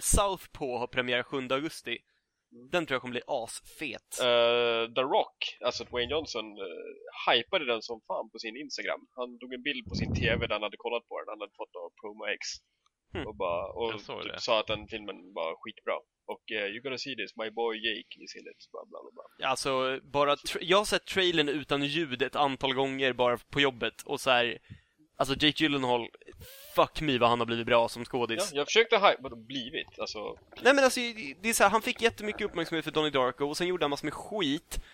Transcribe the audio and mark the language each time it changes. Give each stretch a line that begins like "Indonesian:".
Swedish: Southpaw har premiär 7 augusti. Den tror jag kommer bli asfet. The Rock, alltså Dwayne Johnson, hypade den som fan på sin Instagram. Han tog en bild på sin tv där han hade kollat på den. Han hade fått av Promo X. Och bara, och sa att den filmen var skitbra.
English: Och you're gonna see this, my boy Jake is in it.
Swedish: Bla, bla, bla. Alltså, bara jag har sett trailern utan ljud ett antal gånger bara på jobbet. Och så här, alltså Jake Gyllenhaal,
English: fuck me
Swedish: vad han har blivit bra som skådis. Ja, jag försökte hype, vad blivit? Alltså, nej men alltså, det är så här, han fick jättemycket uppmärksamhet för Donnie Darko. Och sen gjorde han massor med skit.